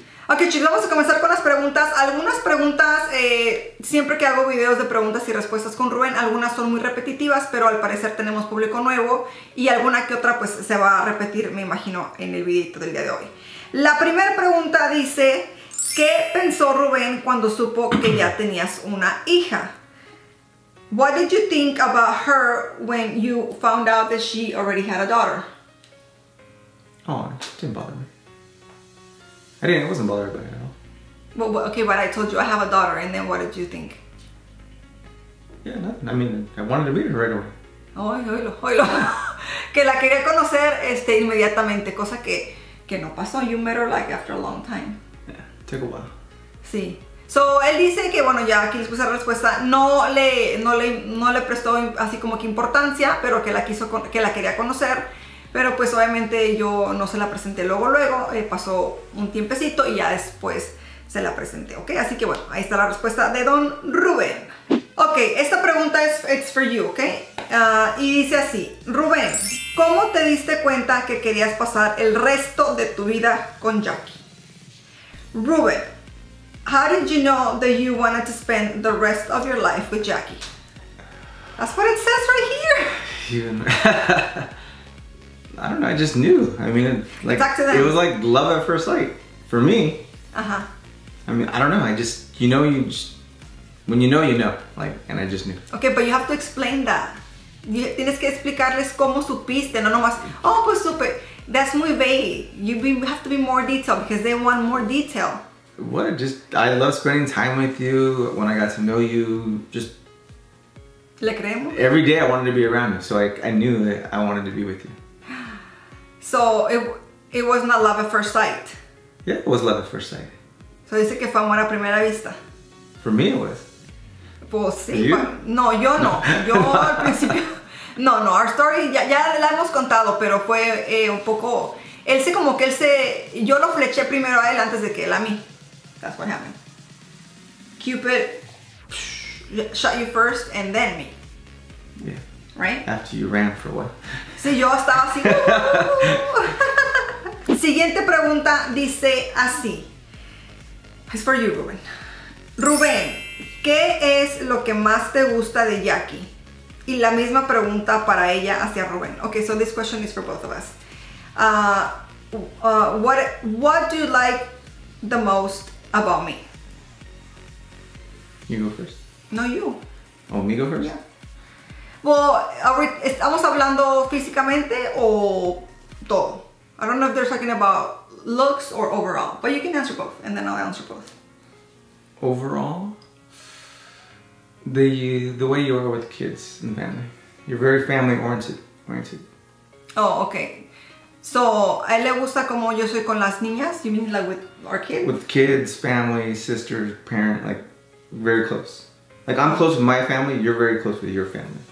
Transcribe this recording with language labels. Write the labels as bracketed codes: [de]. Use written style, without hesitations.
[es] Ok, chicos, vamos a comenzar con las preguntas. Algunas preguntas, siempre que hago videos de preguntas y respuestas con Rubén, algunas son muy repetitivas, pero al parecer tenemos público nuevo y alguna que otra pues se va a repetir, me imagino, en el videito del día de hoy. La primera pregunta dice, ¿qué pensó Rubén cuando supo que ya tenías una hija? [en] What did you think about her when you found out that she already had a daughter? Oh, it didn't bother me. It wasn't bothered by it at all. Well, okay, but I told you I have a daughter, and then what did you think? Yeah, nothing. I mean, I wanted to meet her right away. Oilo. [es] Que la quería conocer inmediatamente, cosa que no pasó. [en] You met her like after a long time. Yeah, took a while. [es] Sí. So, él dice que, bueno, ya aquí les puse la respuesta, no le prestó así como que importancia, pero que la quiso, que la quería conocer, pero pues obviamente yo no se la presenté luego, pasó un tiempecito y ya después se la presenté, ¿ok? Así que bueno, ahí está la respuesta de Don Rubén. Ok, esta pregunta es [en] it's for you, [es] ¿ok? Y dice así, Rubén, ¿cómo te diste cuenta que querías pasar el resto de tu vida con Jackie? [en] Rubén, how did you know that you wanted to spend the rest of your life with Jackie? That's what it says right here. Even, I don't know, I just knew. I mean, like, talk to them. It was like love at first sight for me. Uh-huh. I mean, I don't know. I just, you know, you just, when you know, like, and I just knew. Okay, but you have to explain that. You [es] tienes que explicarles cómo supiste, no nomás, oh, pues supe. [en] That's muy vague. You have to be more detailed because they want more detail. What? Just, I love spending time with you. When I got to know you, just... [es] ¿Le creemos? [en] Every day I wanted to be around you, so I knew that I wanted to be with you. So, it was not love at first sight? Yeah, it was love at first sight. [es] So, dice que fue amor a primera vista. [en] For me, it was. [es] Pues, sí. [en] You? [es] No, yo no. Yo al principio... No, no, [en] our story [es] ya la hemos contado, pero fue un poco... Él se como que él se... Yo lo fleché primero a él antes de que él a mí. [en] That's what happened. Cupid shot you first and then me. Yeah. Right? After you ran for a while. [es] Sí, yo estaba así. Siguiente pregunta dice así. [en] It's for you, Rubén. [es] Rubén, ¿qué es lo que más te gusta de Jackie? Y la misma pregunta para ella hacia Rubén. [en] Okay, so this question is for both of us. What do you like the most about me? You go first. No, you. Oh, me go first? Yeah. Well, are we, [es] estamos hablando físicamente o todo? [en] I don't know if they're talking about looks or overall, but you can answer both, and then I'll answer both. Overall? The way you are with kids and family. You're very family oriented. Oh, okay. [es] So, a él le gusta como yo soy con las niñas? [en] You mean like with our kids? With kids, family, sisters, parents, like very close. Like I'm close with my family, you're very close with your family.